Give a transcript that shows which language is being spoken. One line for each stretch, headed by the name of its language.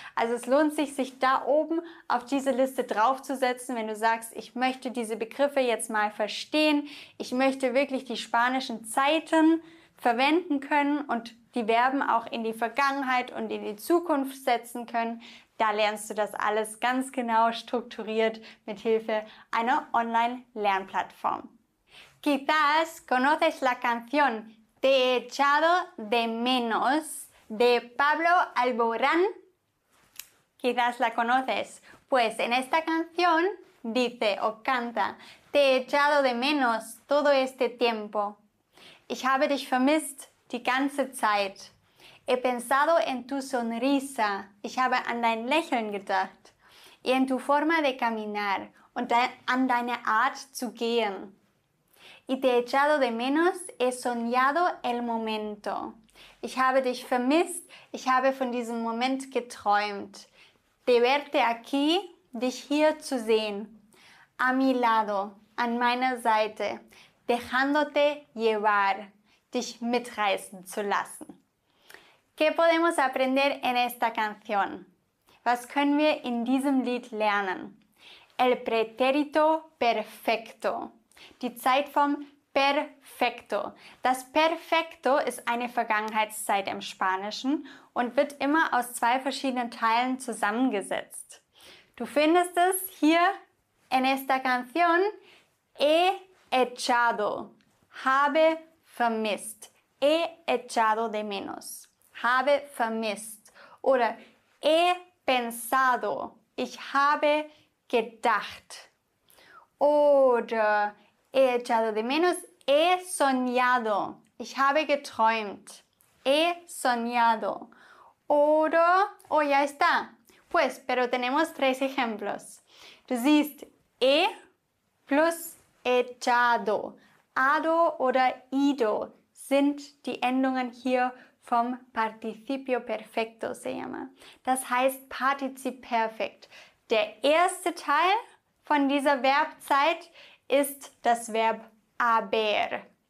German: Also es lohnt sich, sich da oben auf diese Liste draufzusetzen, wenn du sagst, ich möchte diese Begriffe jetzt mal verstehen, ich möchte wirklich die spanischen Zeiten verwenden können und die Verben auch in die Vergangenheit und in die Zukunft setzen können. Da lernst du das alles ganz genau strukturiert mit Hilfe einer Online-Lernplattform.
Spanish: Quizás conoces la canción Te he echado de menos de Pablo Alborán. Quizás la conoces. Pues en esta canción dice o canta Te he echado de menos todo este tiempo.
German: Ich habe dich vermisst die ganze Zeit.
Spanish: He pensado en tu sonrisa.
German: Ich habe an dein Lächeln gedacht.
Spanish: Y en tu forma de caminar.
German: Und an deine Art zu gehen.
Spanish: Y te he echado de menos. He soñado el momento.
German: Ich habe dich vermisst. Ich habe von diesem Moment geträumt.
Spanish: De verte aquí.
German: Dich hier zu sehen.
Spanish: A mi lado.
German: An meiner Seite.
Spanish: Dejándote llevar,
German: dich mitreißen zu lassen.
Spanish: ¿Qué podemos aprender en esta canción?
German: Was können wir in diesem Lied lernen?
Spanish: El pretérito perfecto.
German: Die Zeitform perfecto. Das perfecto ist eine Vergangenheitszeit im Spanischen und wird immer aus zwei verschiedenen Teilen zusammengesetzt. Du findest es hier
Spanish: en esta canción e echado,
German: habe vermisst,
Spanish: he echado de menos,
German: habe vermisst. Oder
Spanish: he pensado,
German: ich habe gedacht.
Spanish: Oder he echado de menos, he soñado,
German: ich habe geträumt,
Spanish: he soñado. Oder, oh ya está, pues, pero tenemos tres ejemplos.
German: Du siehst, he plus echado. Ado oder ido sind die Endungen hier vom Participio Perfecto,
Spanish: se llama.
German: Das heißt Partizip Perfekt. Der erste Teil von dieser Verbzeit ist das Verb haber.